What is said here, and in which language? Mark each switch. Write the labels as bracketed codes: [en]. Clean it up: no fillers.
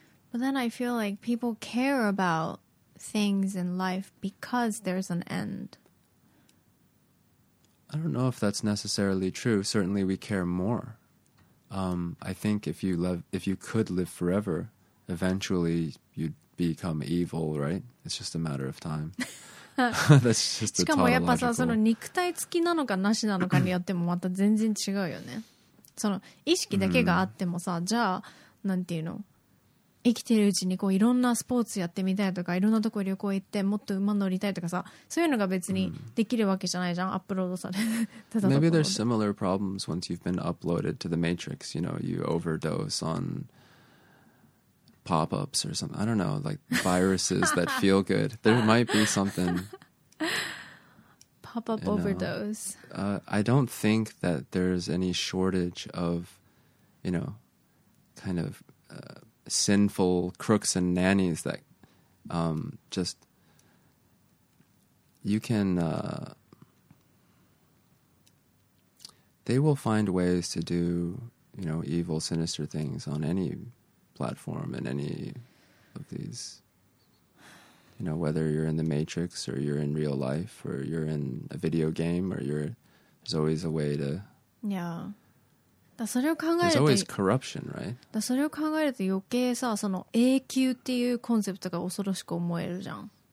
[en] But then I feel like people care about things in life because there's an end. I don't know if that's necessarily true. Certainly we care more. I think if you could live forever, eventually you'd become evil, right? It's just a matter of time. That's just a tautological... [ja] しかもやっぱさ、その肉体付きなのかなしなのかによってもまた全然違うよね。その意識だけがあってもさ、じゃあなんていうの、生きてるうちにこういろんなスポーツやってみたいとか、いろんなとこ旅行行ってもっと馬乗りたいとかさ、そういうのが別にできるわけじゃないじゃん、アップロードされてたところで。 [en] Maybe there's similar problems once you've been uploaded to the matrix, you know, you overdose onPop-ups or something. I don't know, like viruses that feel good. There might be something. Pop-up, you know, overdose. I don't think that there's any shortage of, you know, kind of sinful crooks and nannies that just... You can... they will find ways to do, you know, evil, sinister things on any... platform in any of these, you know, whether you're in the matrix or you're in real life or you're in a video game or you're, there's always a way to [ja] yeah だそれを考えると [en] There's always corruption, right? [ja] だそれを考えると余計さその永久っていうコンセプトが恐ろしく思えるじゃん、